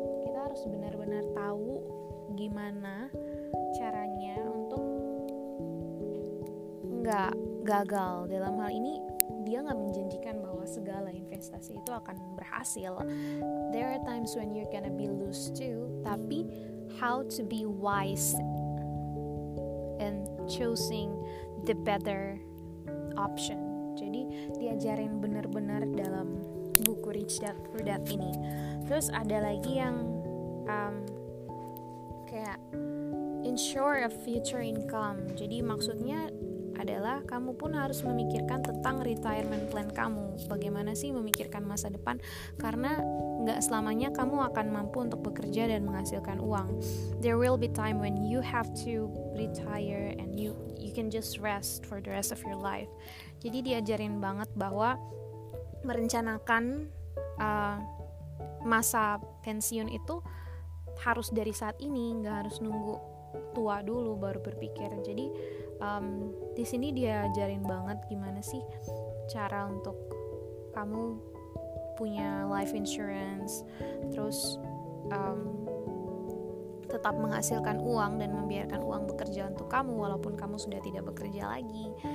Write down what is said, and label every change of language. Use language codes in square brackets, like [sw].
[id] Kita harus benar-benar tahu gimana caranya untuk nggak gagal. Dalam hal ini dia nggak menjanjikan bahwa segala investasi itu akan berhasil. [en] There are times when you're gonna be lose too, tapi how to be wise and choosing the better option. [id] Jadi diajarin benar-benar dalam buku Rich Dad Poor Dad ini. Terus ada lagi yang kayak ensure a future income. Jadi maksudnya adalah kamu pun harus memikirkan tentang retirement plan kamu. Bagaimana sih memikirkan masa depan, karena gak selamanya kamu akan mampu untuk bekerja dan menghasilkan uang. There will be time when you have to retire and you [en] can just rest for the rest of your life. [id] Jadi diajarin banget bahwa merencanakan masa pensiun itu harus dari saat ini, nggak harus nunggu tua dulu baru berpikir. Jadi di sini diajarin banget gimana sih cara untuk kamu punya life insurance, terus tetap menghasilkan uang dan membiarkan uang bekerja untuk kamu walaupun kamu sudah tidak bekerja lagi.